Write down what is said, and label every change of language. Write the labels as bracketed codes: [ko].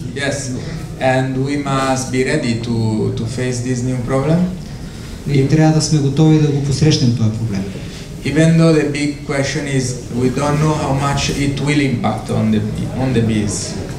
[en] Yes, and we must be ready to face this new problem. [bg] И трябва да сме готови да го посрещнем този проблем. [en] Even though the big question is we don't know how much it will impact on the bees.